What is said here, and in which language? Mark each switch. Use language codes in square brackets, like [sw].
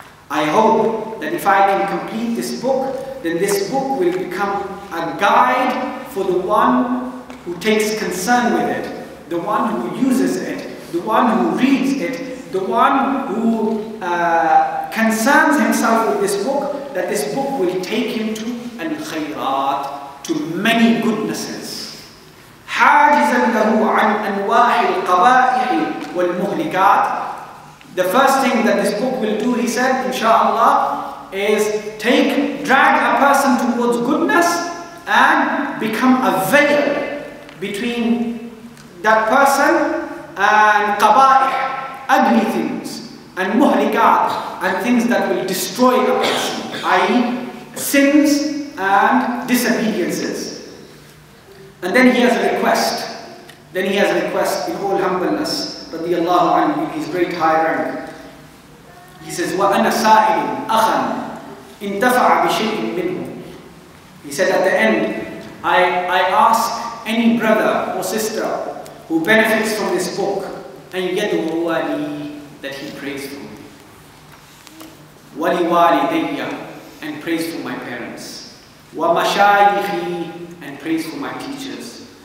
[en] I hope that if I can complete this book, then this book will become a guide for the one who takes concern with it, the one who uses it, the one who reads it, the one who concerns himself with this book, that this book will take him to الخيرات, to many goodnesses. [ar] حاجزا له عن أنواح القبائح والمهلكات. [en] The first thing that this book will do, he said, inshallah, is drag a person towards goodness and become a veil between that person and قبائح, ugly things, and مهلكات, and things that will destroy a person, i.e. sins and disobediences. And then he has a request. Then he has a request in all humbleness, radiallahu anhu, his great high rank. [ar] He says, وَأَنَا سَائِلٌ أَخًا إِنْتَفَعَ بِشَيْءٍ مِنْهُ. [en] He said at the end, I ask any brother or sister who benefits from this book, أَنْ يَدُوا لِي, that he prays for me. وَلِوَالِدَيَّ, and prays for my parents. ومشايخي, and praise for my teachers.